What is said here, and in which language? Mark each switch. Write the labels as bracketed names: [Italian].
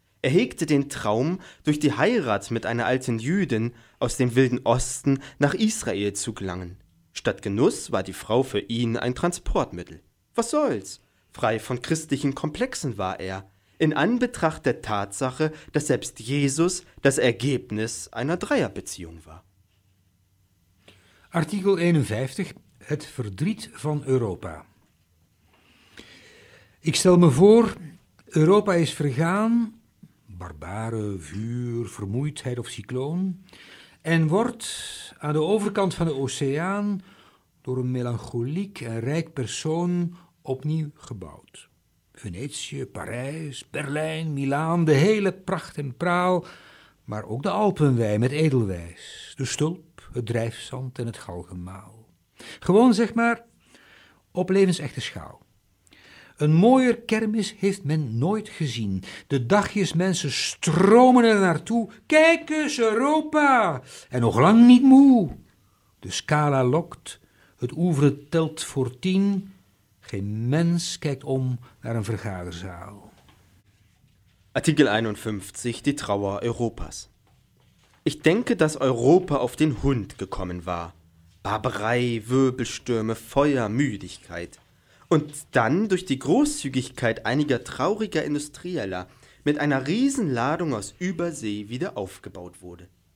[German] Er hegte den Traum, durch die Heirat mit einer alten Jüdin aus dem Wilden Osten nach Israel zu gelangen. Statt Genuss war die Frau für ihn ein Transportmittel. Was soll's? Frei von christlichen Komplexen war er, in Anbetracht der Tatsache, dass selbst Jesus das Ergebnis einer Dreierbeziehung war. Artikel 51. [Dutch] Het verdriet van Europa. Ik stel me voor, Europa is vergaan, barbaren, vuur, vermoeidheid of cycloon, en wordt aan de overkant van de oceaan door een melancholiek en rijk persoon opnieuw gebouwd. Venetië, Parijs, Berlijn, Milaan, de hele pracht en praal, maar ook de Alpenwei met edelwijs, de stulp, het drijfzand en het galgemaal. Gewoon, zeg maar, op levensechte schaal. Een mooier kermis heeft men nooit gezien. De dagjes mensen stromen er naartoe. Kijk eens, Europa! En nog lang niet moe. De scala lokt, het oeuvre telt voor 10. Geen mens kijkt om naar een vergaderzaal. [German] Artikel 51, die Trauer Europas. Ich denke, dass Europa auf den Hund gekommen war. Barbarei, Wirbelstürme, Feuer, Müdigkeit. Und dann durch die Großzügigkeit einiger trauriger Industrieller mit einer Riesenladung aus Übersee wieder aufgebaut wurde.